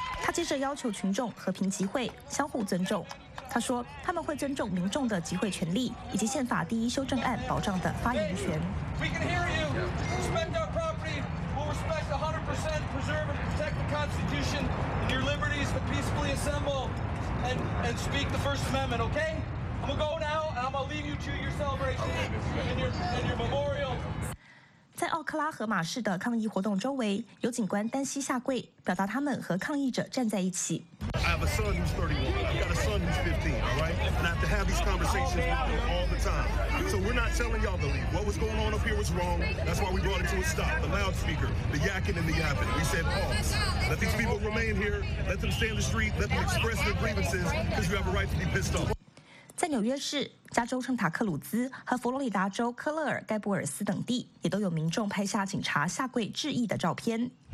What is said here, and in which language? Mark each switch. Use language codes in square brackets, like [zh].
[zh] 他接着要求群众和平集会，相互尊重。他说，他们会尊重民众的集会权利以及宪法第一修正案保障的发言权。 [en] We can hear you. Respect our property. We'll respect 100% preserve and protect the Constitution and your liberties to peacefully assemble and speak the First Amendment. Okay? I'm gonna go now and I'm gonna leave you to your celebration and your memorial. [zh] 在奥克拉荷马市的抗议活动周围，有警官单膝下跪，表达他们和抗议者站在一起。 [en] I have a son who's 31. I've got a son who's 15, all right? And I have to have these conversations with them all the time. So we're not telling y'all to leave. What was going on up here was wrong. That's why we brought it to a stop. The loudspeaker, the yakking and the yapping. We said pause. Let these people remain here. Let them stay in the street. Let them express their grievances because you have a right to be pissed off. [zh] 在纽约市、加州圣塔克鲁兹和佛罗里达州科勒尔盖布尔斯等地，也都有民众拍下警察下跪致意的照片。